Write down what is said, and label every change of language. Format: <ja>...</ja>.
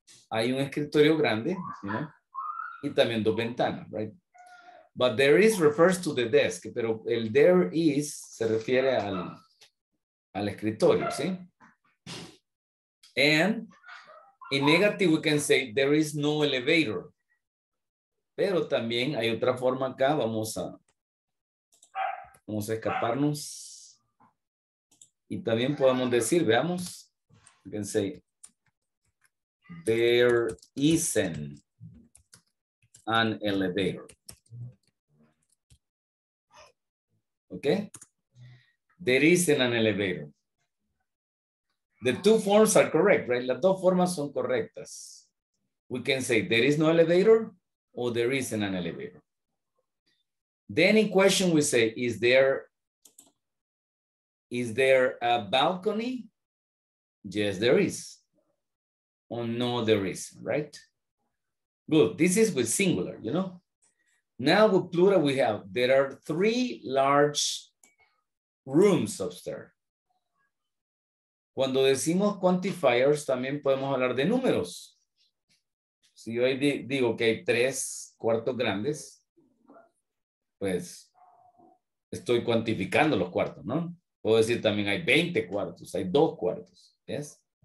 <es>Hay un escritorio grande,</es> <en>you know,</en> <es>y también dos ventanas, right?</es> <en>But there is refers to the desk,</en> <es>pero el</es> <en>there is</en> <es>se refiere al escritorio, ¿sí?</es> <en>And in negative we can say there is no elevator.</en> <es>Pero también hay otra forma acá, vamos a escaparnos. Y también podemos decir, veamos,</es> <en>we can say there isn't an elevator. Okay? There isn't an elevator. The two forms are correct, right?</en> <es>Las dos formas son correctas.</es> <en>We can say there is no elevator or there isn't an elevator. Then in question we say, is there a balcony? Yes, there is. Or no, there is, right? Good, this is with singular, you know? Now with plural we have, there are three large rooms upstairs.</en> <es>Cuando decimos quantifiers, también podemos hablar de números. Si yo digo que hay tres cuartos grandes, pues estoy cuantificando los cuartos, ¿no? Puedo decir también hay 20 cuartos, hay dos cuartos, ¿yes?</es>